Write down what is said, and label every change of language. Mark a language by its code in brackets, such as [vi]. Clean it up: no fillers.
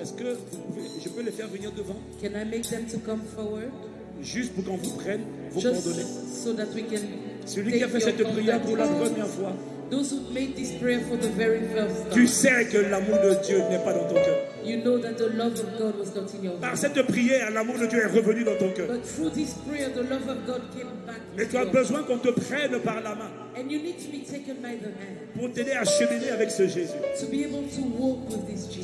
[fr] Est-ce que je peux les faire venir devant? [en] Can I make them to come forward? [fr] Juste pour qu'on vous prenne vos [en] just [fr] coordonnées. [en] So that we can [fr] celui qui a fait cette prière pour la première fois. [en] Those who made this prayer for the very first time. [fr] Tu sais que l'amour de Dieu n'est pas dans ton cœur. [en] You know that the love of God was not in your heart. [fr] Par cette prière, l'amour de Dieu est revenu dans ton cœur. [en] But through this prayer, the love of God came back. [fr] Mais tu as besoin qu'on te prenne par la main. [en] And you need to be taken by the hand. [fr] Pour t'aider à cheminer avec ce Jésus. [en] To be able to walk with this Jesus.